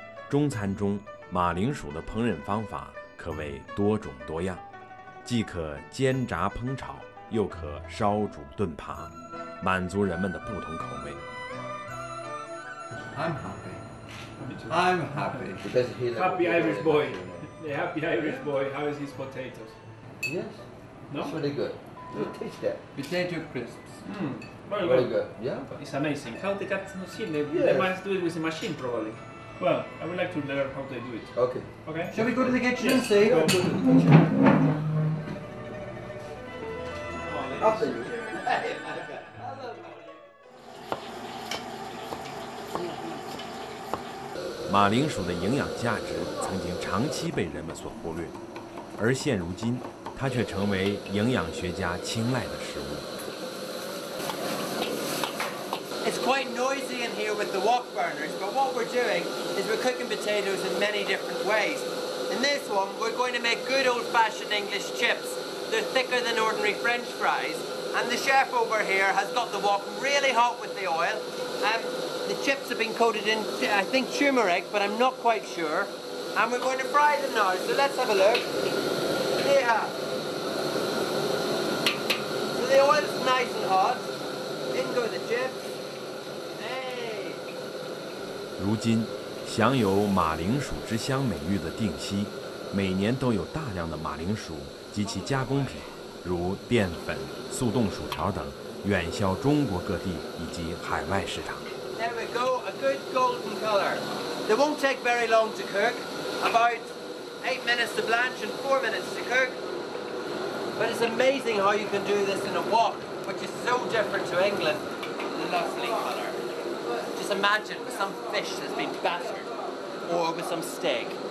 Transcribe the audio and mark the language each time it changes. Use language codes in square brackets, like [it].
[zh] 中餐中，马铃薯的烹饪方法可谓多种多样，既可煎炸烹炒，又可烧煮炖扒，满足人们的不同口味。 [en] I'm happy. Happy Irish boy. The happy Irish boy, how is his potatoes? Yes. No? It's really good. You taste that. Potato crisps. Very good. Yeah. It's amazing. How they cut the machine? They must do it with a machine, probably. Well, I would like to learn how they do it. Okay. Okay. Shall we go to the kitchen and see? Go to the kitchen. After you. [zh] 马铃薯的营养价值曾经长期被人们所忽略，而现如今，它却成为营养学家青睐的食物。 [en] It's quite noisy in here with the wok burners, but what we're doing is we're cooking potatoes in many different ways. In this one, we're going to make good old-fashioned English chips. They're thicker than ordinary French fries, and the chef over here has got the wok really hot with the oil. The chips have been coated in, I think, turmeric, but I'm not quite sure. And we're going to fry them now, so let's have a look. Yeah. So the oil's nice and hot. In go the chips. Hey. [zh] 如今，享有马铃薯之乡美誉的定西，每年都有大量的马铃薯及其加工品，如淀粉、速冻薯条等，远销中国各地以及海外市场。 [en] There we go, a good golden colour. They won't take very long to cook, about 8 minutes to blanch and 4 minutes to cook. But it's amazing how you can do this in a wok, which is so different to England. The lovely colour. Just imagine with some fish that's been battered, or with some steak.